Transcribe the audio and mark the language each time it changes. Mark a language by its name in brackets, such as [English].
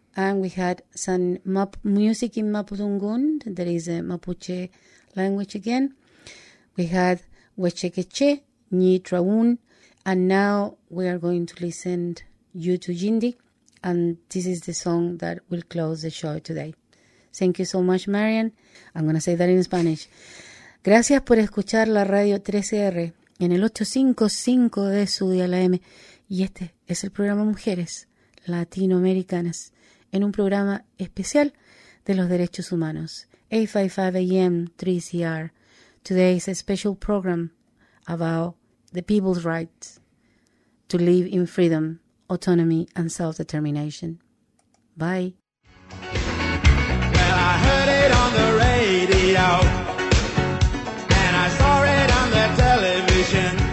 [English] And we had some music in Mapudungun, that is a Mapuche language again. We had Wechekeche, Nyi Traun. And now we are going to listen you to Yindi. And this is the song that will close the show today. Thank you so much, Marian. I'm going to say that in Spanish. [Spanish] Gracias por escuchar la radio 13R en el 855 de su dial AM. Y este es el programa Mujeres Latinoamericanas, en un programa especial de los derechos humanos. [English] 855 AM 3CR. Today is a special program about the people's rights to live in freedom, autonomy, and self-determination. Bye. I heard it on the radio, and I saw it on the television.